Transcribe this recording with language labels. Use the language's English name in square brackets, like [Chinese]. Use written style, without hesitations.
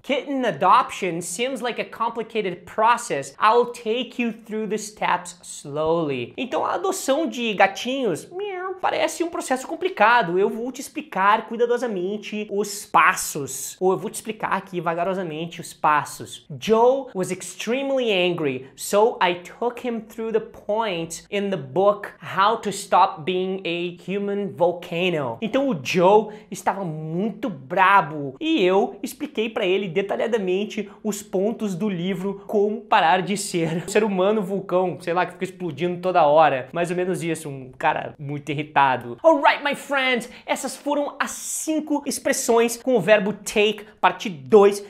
[English] Kitten adoption seems like a complicated process. I'll take you through the steps slowly. [Portuguese] Então, a adoção de gatinhos, meow, parece um processo complicado. Eu vou te explicar cuidadosamente os passos. Ou eu vou te explicar aqui vagarosamente os passos. [English] Joe was extremely angry, so I took him through the points in the book How to Stop Being a Human Volcano. [Portuguese] Então, o Joe estava muito brabo e eu expliquei para ele detalhadamente os pontos do livro Como Parar de Ser um Ser Humano Vulcão, sei lá, que fica explodindo toda hora. Mais ou menos isso, um cara muito irritado. [English] Alright, my friends, [Portuguese] essas foram as 5 expressões com o verbo take, parte 2.